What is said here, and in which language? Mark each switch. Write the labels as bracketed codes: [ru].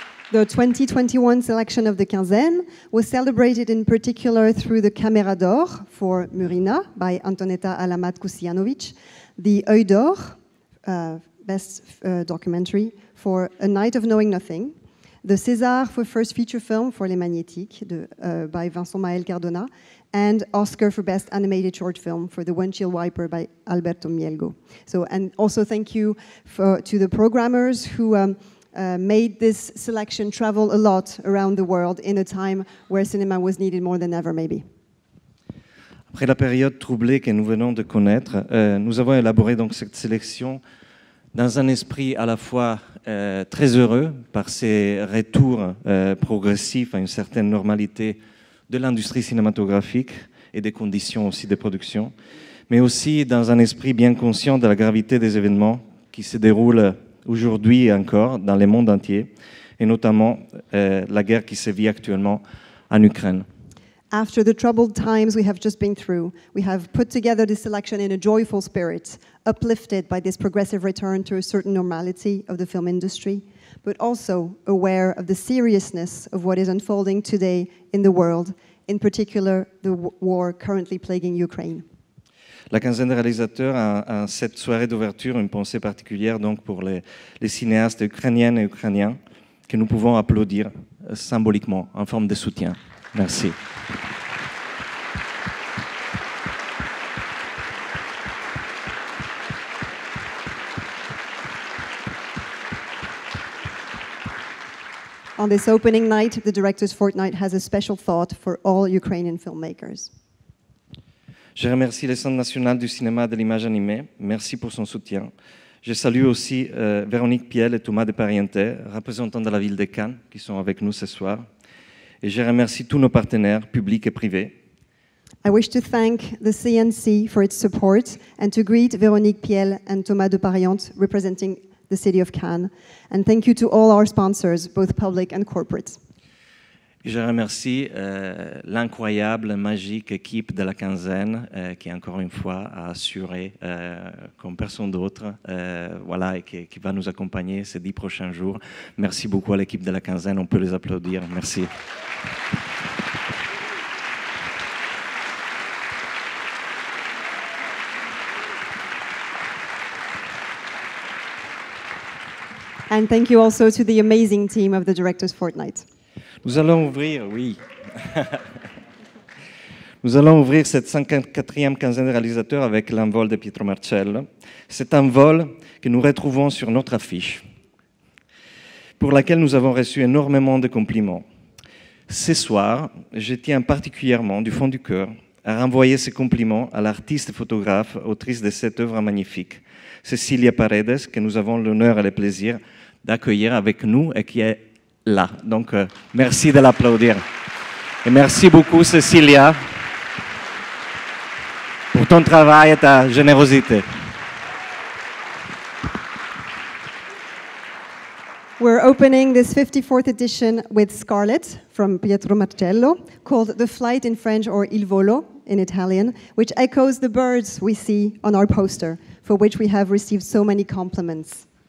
[en] The 2021 selection of the Quinzaine was celebrated in particular through the Caméra d'Or for Murina by Antonietta Alamat Kusianovic, the Œil d'Or, best documentary, for A Night of Knowing Nothing, the César for first feature film for Les Magnétiques by Vincent Maël Cardona, and Oscar for best animated short film for The Windshield Wiper by Alberto Mielgo. So, and also thank you to the programmers who made this selection travel a lot around the world in a time where cinema was needed more than ever, maybe. [fr] Après la période troublée que nous venons de connaître, nous avons élaboré donc cette sélection dans un esprit à la fois très heureux par ces retours progressifs à une certaine normalité de l'industrie cinématographique et des conditions aussi de production, mais aussi dans un esprit bien conscient de la gravité des événements qui se déroulent aujourd'hui encore dans le monde entier, et notamment la guerre qui se vit actuellement en Ukraine. [en] After the troubled times we have just been through, we have put together this selection in a joyful spirit, uplifted by this progressive return to a certain normality of the film industry, but also aware of the seriousness of what is unfolding today in the world, in particular the war currently plaguing Ukraine. [fr] La quinzaine de réalisateurs a cette soirée d'ouverture une pensée particulière donc pour les cinéastes ukrainiennes et ukrainiens que nous pouvons applaudir symboliquement en forme de soutien. Merci. [en] On this opening night, the director's fortnight has a special thought for all Ukrainian filmmakers. [fr] Je remercie le Centre national du cinéma de l'image animée. Merci pour son soutien. Je salue aussi Véronique Piel et Thomas Depariente, représentants de la ville de Cannes, qui sont avec nous ce soir. Et je remercie tous nos partenaires, publics et privés. [en] I wish to thank the CNC for its support and to greet Véronique Piel and Thomas Depariente, representing the city of Cannes. And thank you to all our sponsors, both public and corporate. [fr] Et je remercie l'incroyable, magique équipe de la quinzaine qui, encore une fois, a assuré comme personne d'autre voilà, et qui va nous accompagner ces 10 prochains jours. Merci beaucoup à l'équipe de la quinzaine. On peut les applaudir. Merci. [en] And thank you also to the amazing team of the Director's Fortnight. [fr] Nous allons ouvrir, oui. Nous allons ouvrir cette 54e quinzaine de réalisateurs avec l'envol de Pietro Marcello. C'est un vol que nous retrouvons sur notre affiche, pour laquelle nous avons reçu énormément de compliments. Ce soir, je tiens particulièrement, du fond du cœur, à renvoyer ces compliments à l'artiste photographe, autrice de cette œuvre magnifique, Cecilia Paredes, que nous avons l'honneur et le plaisir d'accueillir avec nous et qui est là. Donc, merci de l'applaudir. Et merci beaucoup, Cecilia, pour ton travail et ta générosité. [en] We're opening this 54th edition with Scarlet from Pietro Marcello, called The Flight in French, or Il Volo in Italian, which echoes the birds we see on our poster, for which we have received so many compliments.